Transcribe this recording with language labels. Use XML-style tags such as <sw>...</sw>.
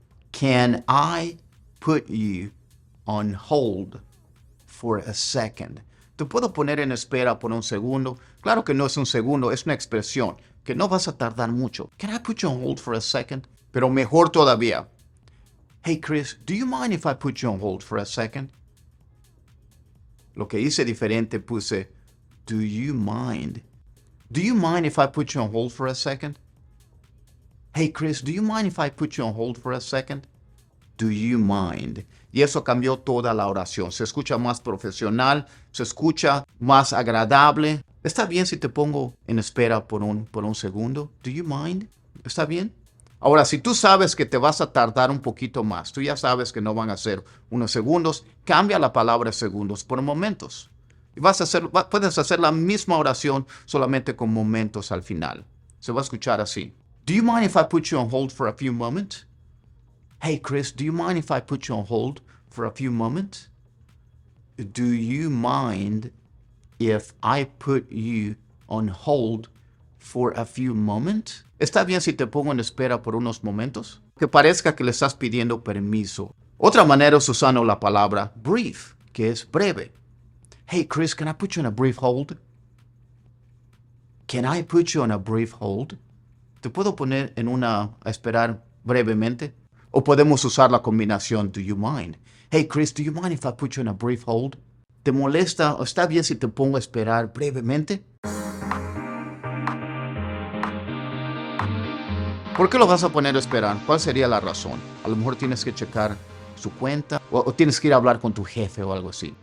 <en>Can I put you on hold for a second?</en> <es>¿Te puedo poner en espera por un segundo? Claro que no es un segundo, es una expresión que no vas a tardar mucho.</es> <en>Can I put you on hold for a second?</en> <es>Pero mejor todavía.</es> <en>Hey Chris, do you mind if I put you on hold for a second?</en> <es>Lo que hice diferente puse,</es> <en>do you mind? Do you mind if I put you on hold for a second? Hey Chris, do you mind if I put you on hold for a second? Do you mind?</en> <es>Y eso cambió toda la oración. Se escucha más profesional, se escucha más agradable. ¿Está bien si te pongo en espera por un segundo?</es> <en>Do you mind?</en> <es>¿Está bien? Ahora, si tú sabes que te vas a tardar un poquito más, tú ya sabes que no van a ser unos segundos, cambia la palabra segundos por momentos. Y puedes hacer la misma oración solamente con momentos al final. Se va a escuchar así.</es> <en>Do you mind if I put you on hold for a few moments? Hey Chris, do you mind if I put you on hold for a few moments? Do you mind if I put you on hold for a few moments?</en> <es>¿Está bien si te pongo en espera por unos momentos? Que parezca que le estás pidiendo permiso. Otra manera es usando la palabra brief, que es breve.</es> <en>Hey Chris, can I put you on a brief hold? Can I put you on a brief hold?</en> <es>¿Te puedo poner en una a esperar brevemente? O podemos usar la combinación,</es> <en>do you mind? Hey Chris, do you mind if I put you in a brief hold?</en> <es>¿Te molesta o está bien si te pongo a esperar brevemente? ¿Por qué lo vas a poner a esperar? ¿Cuál sería la razón? A lo mejor tienes que checar su cuenta o tienes que ir a hablar con tu jefe o algo así.</es>